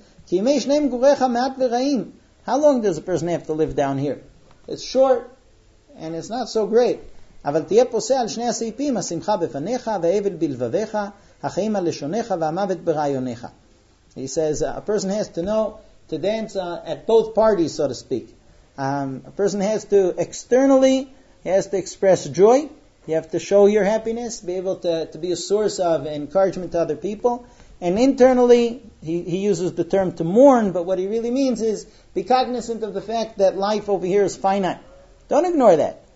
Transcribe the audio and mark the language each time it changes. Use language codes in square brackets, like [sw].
[en] They're passing, they're fleeting. How long does a person have to live down here? It's short and it's not so great. [he] אבל תהיה פוסה על שני הסעיפים, השמחה בפניך והאבל בלבביך, החיים על לשונך והמוות ברעיוניך. [en] He says, a person has to know to dance at both parties, so to speak. A person has to externally, he has to express joy, you have to show your happiness, be able to be a source of encouragement to other people, and internally, he uses the term to mourn, but what he really means is be cognizant of the fact that life over here is finite. Don't ignore that.